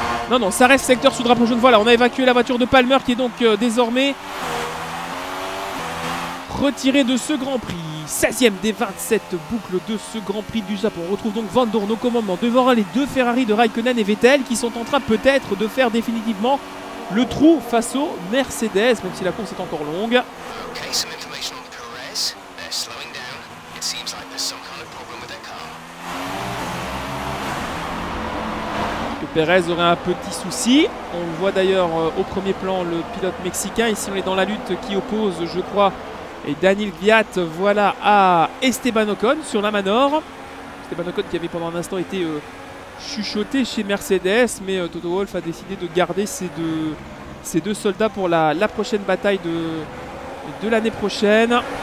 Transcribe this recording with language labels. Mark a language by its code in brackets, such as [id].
[fr] Non, non, ça reste secteur sous drapeau jaune. Voilà, on a évacué la voiture de Palmer qui est donc désormais retirée de ce Grand Prix. 16e des 27 boucles de ce Grand Prix du Japon. On retrouve donc Van Dorn au commandement devant les deux Ferrari de Raikkonen et Vettel qui sont en train peut-être de faire définitivement le trou face au Mercedes, même si la course est encore longue. [en] Okay, some information on Perez. They're slowing down. It seems like there's some kind of problem with their car. [fr] Perez aurait un petit souci. On le voit d'ailleurs au premier plan, le pilote mexicain. Ici, on est dans la lutte qui oppose, je crois, et Daniil Kvyat, voilà, à Esteban Ocon sur la Manor. Esteban Ocon qui avait pendant un instant été chuchoté chez Mercedes, mais Toto Wolff a décidé de garder ses deux soldats pour la prochaine bataille de l'année prochaine.